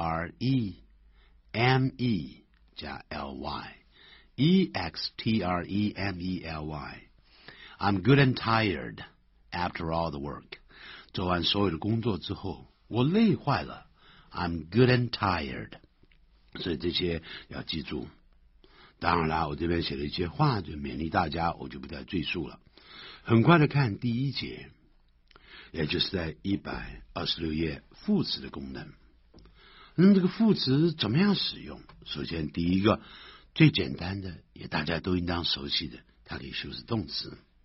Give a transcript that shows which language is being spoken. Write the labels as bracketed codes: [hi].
[en] extreme 加 ly， extreme ly。 I'm good and tired after all the work，做完所有的工作之后我累坏了， I'm good and tired。 [zh] 所以这些要记住。当然啦，我这边写了一些话就勉励大家，我就不再赘述了。很快的看第一节，也就是在126页副词的功能。那么这个副词怎么样使用？首先第一个最简单的也大家都应当熟悉的，它可以修饰动词。